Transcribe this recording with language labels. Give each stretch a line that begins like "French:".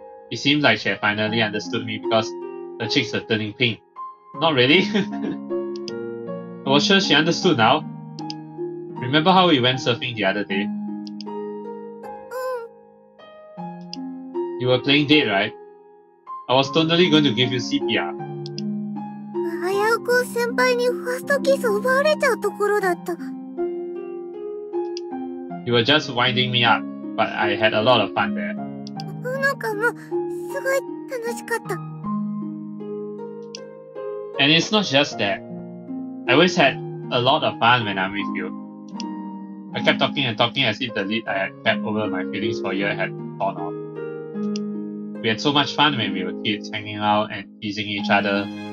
English: It seems like she had finally understood me because her cheeks are turning pink. Not really. I was sure she understood now. Remember how we went surfing the other day? You were playing dead, right? I was totally going to give you CPR.
Japanese: 危うく先輩にファーストキス奪われちゃうところだった。
English: You were just winding me up, but I had a lot of fun there.
Japanese: ほのかもすごい楽しかった。
English: And it's not just that. I always had a lot of fun when I'm with you. I kept talking and talking as if the lid I had kept over my feelings for a year had torn off. We had so much fun when we were kids, hanging out and teasing each other.